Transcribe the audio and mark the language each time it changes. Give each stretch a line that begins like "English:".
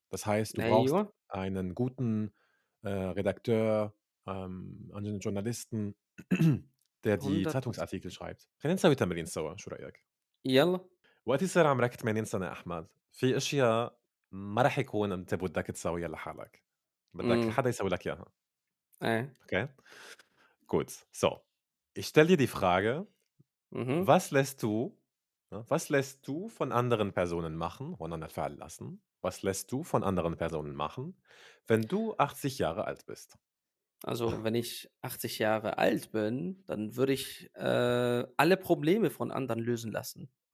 German: Das heißt, du brauchst einen guten Redakteur an den Journalisten, der die Zeitungsartikel schreibt.
Arabic: خلينا نسوي تمرين سوا، شو رأيك؟ يلا. وقت يصير عمرك 80 سنة أحمد، في أشياء ما رح يكون أنت بدك تسويها لحالك. بدك حدا يسوي لك إياها. إيه.
German: Okay. Gut. So. Ich stelle dir die Frage. Was lässt du von anderen Personen machen und dann fallen lassen? Was lässt du von anderen Personen machen, wenn du 80 Jahre alt bist? Also, wenn ich 80 Jahre alt bin, dann würde ich alle Probleme von anderen lösen lassen.